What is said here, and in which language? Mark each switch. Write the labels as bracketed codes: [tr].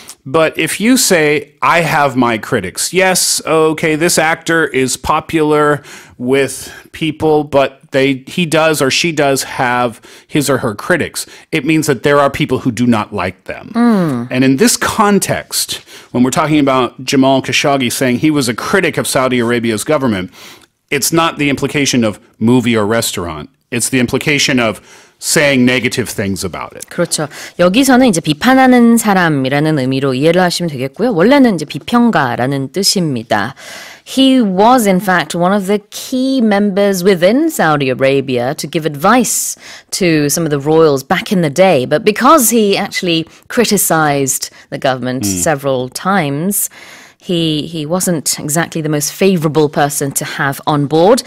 [en] But if you say, I have my critics, yes, okay, this actor is popular with people, but he does or she does have his or her critics, it means that there are people who do not like them. And in this context, when we're talking about Jamal Khashoggi saying he was a critic of Saudi Arabia's government, it's not the implication of movie or restaurant. It's the implication of saying negative things about it. [ko] 그렇죠. 여기서는 이제 비판하는 사람이라는 의미로 이해를 하시면 되겠고요. 원래는 이제 비평가라는 뜻입니다. [en] He was in fact one of the key members within Saudi Arabia to give advice to some of the royals back in the day. But because he actually criticized the government several times, he wasn't exactly the most favorable person to have on board.